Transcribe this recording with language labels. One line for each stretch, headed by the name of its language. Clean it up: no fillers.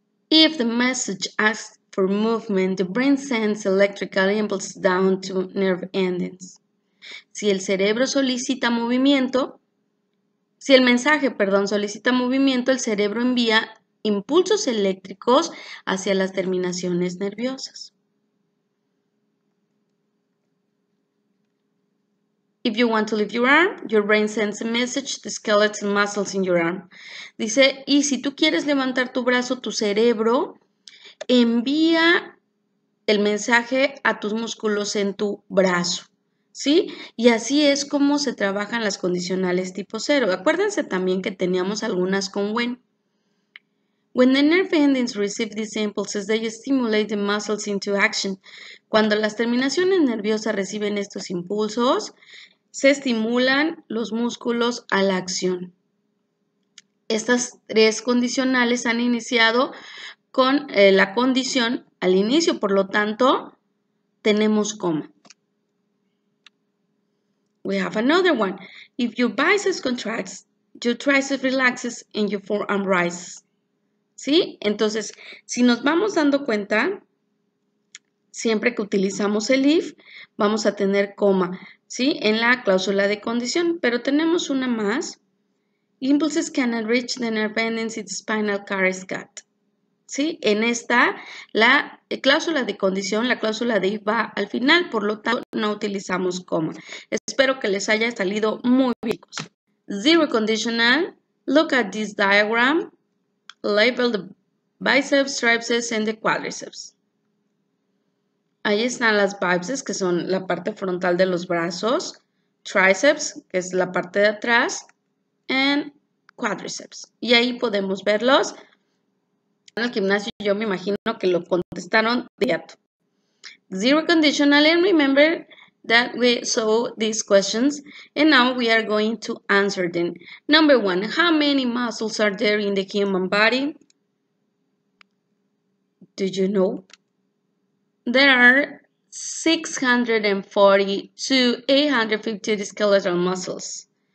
English: If the message asks for movement, the brain sends electrical impulses down to nerve endings.
Spanish: Si el cerebro solicita movimiento, si el mensaje, perdón, solicita movimiento, el cerebro envía impulsos eléctricos hacia las terminaciones nerviosas.
English: If you want to lift your arm, your brain sends a message to the skeletal muscles in your arm.
Spanish: Dice, y si tú quieres levantar tu brazo, tu cerebro envía el mensaje a tus músculos en tu brazo, ¿sí? Y así es como se trabajan las condicionales tipo cero. Acuérdense también que teníamos algunas con when.
English: When the nerve endings receive these impulses, they stimulate the muscles into action.
Spanish: Cuando las terminaciones nerviosas reciben estos impulsos, se estimulan los músculos a la acción. Estas tres condicionales han iniciado con la condición al inicio, por lo tanto, tenemos coma.
English: We have another one. If your biceps contracts, your triceps relaxes and your forearm rises. ¿Sí?
Spanish: Entonces, si nos vamos dando cuenta, siempre que utilizamos el if, vamos a tener coma, ¿sí? En la cláusula de condición, pero tenemos una más.
English: Impulses cannot reach the nerve endings in the spinal cord is cut.
Spanish: ¿Sí? En esta, la cláusula de condición, la cláusula de if va al final, por lo tanto, no utilizamos coma. Espero que les haya salido muy bien.
English: Zero conditional, look at this diagram, label the biceps, triceps, and the quadriceps.
Spanish: Ahí están las biceps, que son la parte frontal de los brazos, triceps, que es la parte de atrás,
English: and quadriceps.
Spanish: Y ahí podemos verlos. En el gimnasio yo me imagino que lo contestaron de inmediato.
English: Zero conditional, and remember that we saw these questions and now we are going to answer them. Number one, how many muscles are there in the human body? Do you know? There are 640 to 850 skeletal muscles.